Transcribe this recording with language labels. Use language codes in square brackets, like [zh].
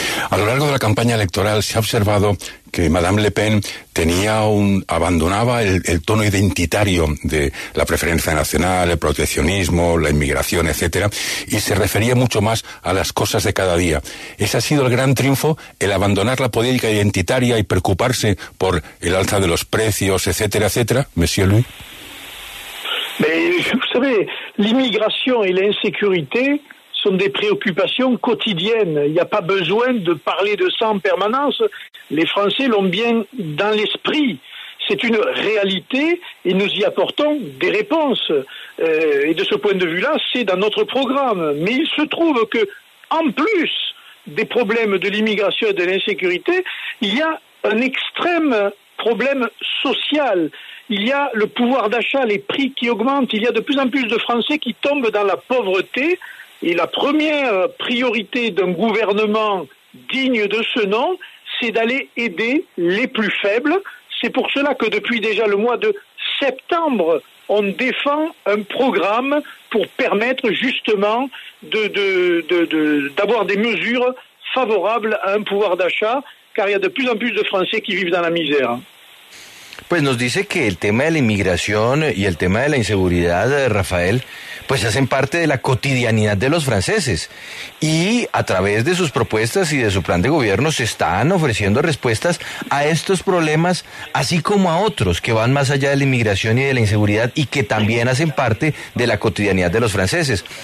[es] A lo largo de la campaña electoral se ha observado que Madame Le Pen abandonaba el tono identitario de la preferencia nacional, el proteccionismo, la inmigración, etcétera, y se refería mucho más a las cosas de cada día. Ese ha sido el gran triunfo, el abandonar la política identitaria y preocuparse por el alza de los precios, etcétera, etcétera, Monsieur Louis. [fr] Vous savez, l'immigration et l'insécurité sont des préoccupations quotidiennes. Il n'y a pas besoin de parler de ça en permanence. Les Français l'ont bien dans l'esprit. C'est une réalité et nous y apportons des réponses. Et de ce point de vue-là, c'est dans notre programme. Mais il se trouve que, en plus des problèmes de l'immigration et de l'insécurité, il y a un extrême problème social. Il y a le pouvoir d'achat, les prix qui augmentent. Il y a de plus en plus de Français qui tombent dans la pauvreté. Et la première priorité d'un gouvernement digne de ce nom, c'est d'aller aider les plus faibles. C'est pour cela que depuis déjà le mois de septembre, on défend un programme pour permettre justement d'avoir des mesures favorables à un pouvoir d'achat, car il y a de plus en plus de Français qui vivent dans la misère. [es] Pues nos dice que el tema de la inmigración y el tema de la inseguridad, Rafael, pues hacen parte de la cotidianidad de los franceses. Y a través de sus propuestas y de su plan de gobierno se están ofreciendo respuestas a estos problemas, así como a otros que van más allá de la inmigración y de la inseguridad y que también hacen parte de la cotidianidad de los franceses.